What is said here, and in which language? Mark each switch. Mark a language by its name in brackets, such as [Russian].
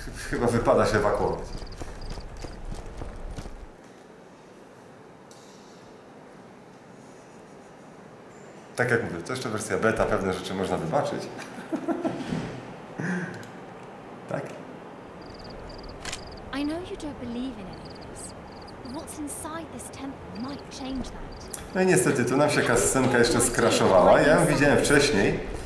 [Polish] Chyba wypada się ewakuować. Tak jak mówię, to jeszcze wersja beta, pewne rzeczy można wybaczyć. Tak? [English] I know you don't believe in any of this. What's inside this temple might change that. [Polish] No i niestety, tu nam się jakaś scenka jeszcze skraszowała. Ja ją widziałem wcześniej.